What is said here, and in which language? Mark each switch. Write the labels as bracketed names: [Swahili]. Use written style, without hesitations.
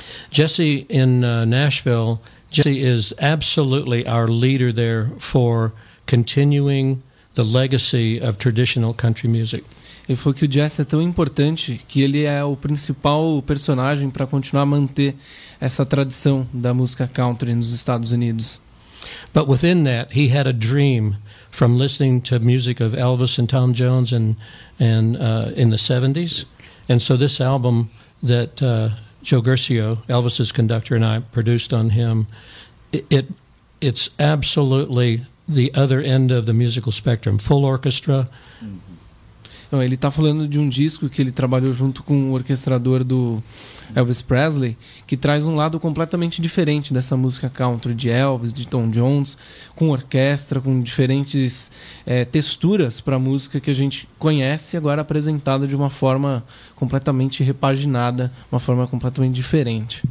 [English] Jesse in Nashville. Jesse is absolutely our leader there for continuing the legacy of traditional country music. [Portuguese] Ele falou que o jazz é tão importante que ele é o principal personagem para continuar a manter essa tradição da música country nos Estados Unidos. [English] But within that, he had a dream from listening to music of Elvis and Tom Jones in the 70s. And so this album that Joe Guercio, Elvis's conductor, and I produced on him, it's absolutely the other end of the musical spectrum, full orchestra. [Portuguese] Então, ele está falando de um disco que ele trabalhou junto com o orquestrador do Elvis Presley, que traz um lado completamente diferente dessa música country de Elvis, de Tom Jones, com orquestra, com diferentes texturas para a música que a gente conhece, agora apresentada de uma forma completamente repaginada, uma forma completamente diferente.